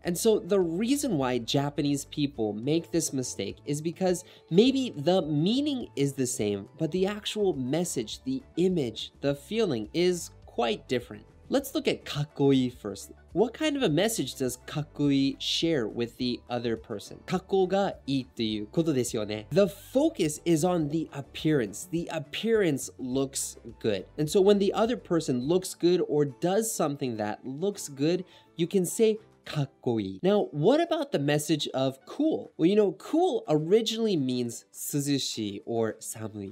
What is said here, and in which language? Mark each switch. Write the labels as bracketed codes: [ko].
[en] And so the reason why Japanese people make this mistake is because maybe the meaning is the same, but the actual message, the image, the feeling is quite different. Let's look at かっこいい first. What kind of a message does かっこいい share with the other person? [ja] かっこがいいっていうことですよね。 [en] The focus is on the appearance. The appearance looks good. And so when the other person looks good or does something that looks good,You can say かっこいい。 Now, what about the message of cool? Well, you know, cool originally means [ja] 涼しい or 寒い。